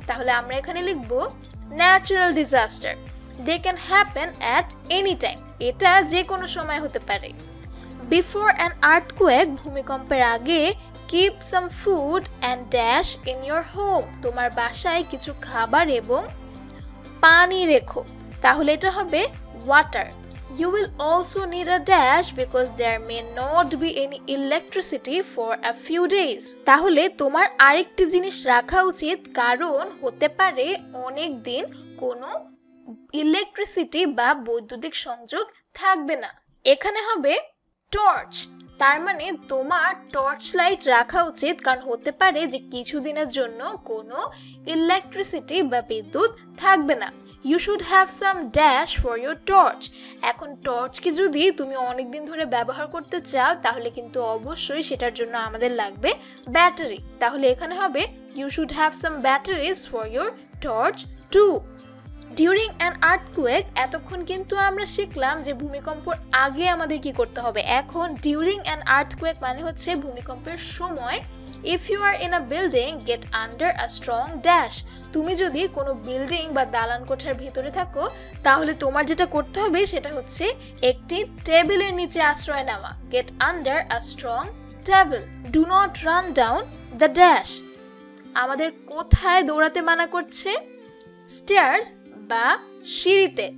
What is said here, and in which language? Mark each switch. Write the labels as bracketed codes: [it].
[bn] তাহলে আমরা এখানে লিখব [en] natural disaster, they can happen at any time, [bn] এটা যে কোনো সময় হতে পারে। [en] before an earthquake, [bn] ভূমিকম্পের আগে, [en] keep some food and dash in your home, [bn] তোমার বাসায় কিছু খাবার এবং পানি রেখো। তাহলে এটা হবে water. [en] You will also need a dash because there may not be any electricity for a few days. [bn] তাহলে তোমার আরেকটি জিনিস রাখা উচিত, কারণ হতে পারে অনেক দিন কোনো ইলেকট্রিসিটি বা বৈদ্যুতিক সংযোগ থাকবে না। এখানে হবে টর্চ, তার মানে তোমার টর্চ লাইট রাখা উচিত, কারণ হতে পারে যে কিছুদিনের জন্য কোনো ইলেকট্রিসিটি বা বিদ্যুৎ থাকবে না। [en] You should have some dash for your torch. [bn] এখন টর্চকে যদি তুমি অনেকদিন ধরে ব্যবহার করতে চাও, তাহলে কিন্তু অবশ্যই সেটার জন্য আমাদের লাগবে ব্যাটারি। তাহলে এখানে হবে [en] You should have some batteries for your torch too. During an earthquake, [bn] এতক্ষণ কিন্তু আমরা শিখলাম যে ভূমিকম্পর আগে আমাদের কি করতে হবে। এখন [en] during an earthquake [bn] মানে হচ্ছে ভূমিকম্পের সময়। [en] If you are in a building, get under a strong dash. [bn] তুমি যদি কোনো বিল্ডিং বা দালান কোঠার ভিতরে থাকো, তাহলে তোমার যেটা করতে হবে সেটা হচ্ছে একটি টেবিলের নিচে আশ্রয় নেওয়া। [en] Get under a strong table. Do not run down the dash. [bn] আমাদের কোথায় দৌড়াতে মানা করছে? Stairs বা সিঁড়িতে।